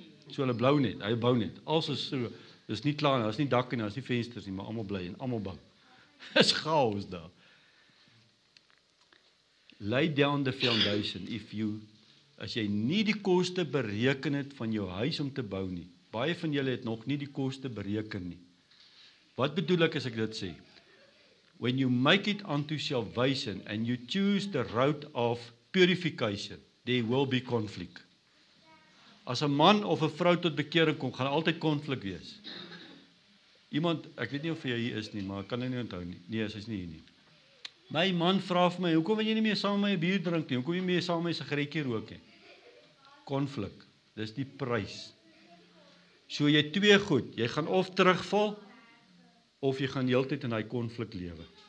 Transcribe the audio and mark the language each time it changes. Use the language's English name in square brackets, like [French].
[Afrikaans] So hulle blou net, hy bou net, als is so, is nie klaar, is nie dak en is nie vensters nie, maar allemaal bly en allemaal bang. Is chaos daar. [English] Lay down the foundation, [Afrikaans] as jy nie die koste bereken het van jou huis om te bou nie, baie van julle het nog nie die koste bereken nie. Wat bedoel ek as ek dit sê? [English] When you make it unto salvation and you choose the road of purification, there will be conflict. [Afrikaans] As 'n man of 'n vrou tot bekering kom, gaan altyd konflik wees. Iemand, ek weet nie of jy hier is nie, maar ek kan nie onthou nie. Nee, sy is nie hier nie. My man vra vir my, hoekom wil jy nie meer saam met my bier drink nie? Hoekom wil jy meer saam met my sigaretjie rook nie? Konflik, dis die prys. So jy twee goed, jy gaan of terugval, of jy gaan die hele tyd in die konflik lewe.